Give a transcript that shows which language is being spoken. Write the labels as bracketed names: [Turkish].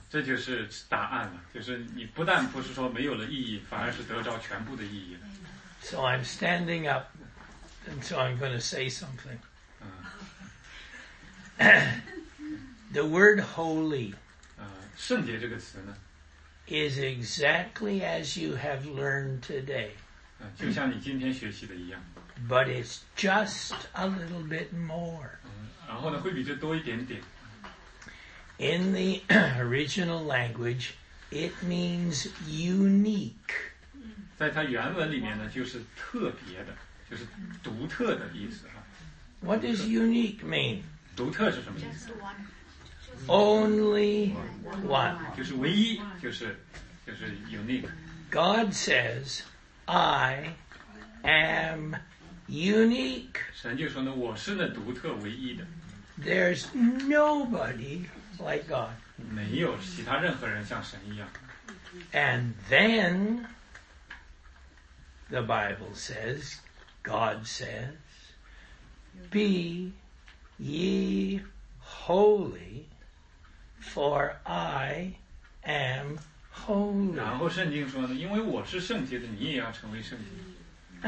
[Chinese] 这就是答案了, 就是你不但不是说没有了意义, 反而是得到全部的意义了。 [English] So I'm standing up, and so I'm going to say something. The word holy, [Chinese] 圣洁这个词呢, [English] is exactly as you have learned today. [Chinese] 就像你今天学习的一样。 [English] But it's just a little bit more. [Chinese] 然后呢, 会比这多一点点。 [English] In the original language, it means unique. [Chinese] 在它原文里面呢, 就是特别的, 就是独特的意思啊。 [English] What does unique mean? [Chinese] 独特是什么意思? [English] Just one. Only one. [Chinese] 就是唯一, 就是unique. [English] God says, I am unique. [Chinese] 神就说呢, 我是呢独特, 唯一的。 [English] There's nobody like God. [Chinese] 没有其他任何人像神一样。 [English] And then the Bible says, God says, be ye holy, for I am holy. [Chinese] 然后圣经说呢, 因为我是圣洁的, 你也要成为圣洁。